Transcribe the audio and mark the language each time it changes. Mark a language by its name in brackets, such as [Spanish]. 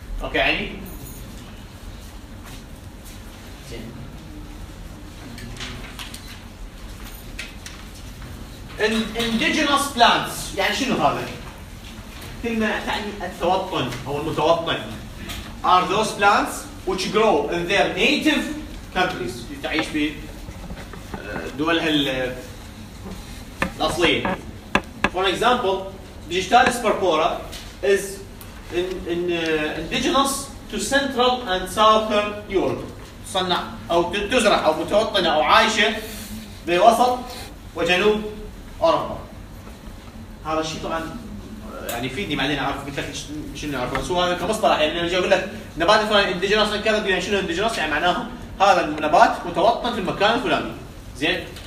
[Arabic] أوكي يعني الانديجينوس بلانتس يعني شنو هذا؟ كلمة تعني التوطن أو المتوطن. [English] Are those plants which grow in their native countries [Arabic] تعيش في دولها الأصلية. [English] For example, Digitalis purpura is in indigenous to Central and Southern Europe. [Arabic] صنع أو تزرع أو متوطنة أو عايشة بوسط وجنوب أوروبا. هذا الشيء طبعاً يعني فيني بعدين اعرف قلت لك شنو اعرفه سواء كمصطلح يعني اجي اقول لك نبات فلان انديجينوس كذا يعني شنو انديجينوس يعني معناها هذا النبات متوطن في المكان الفلاني زين.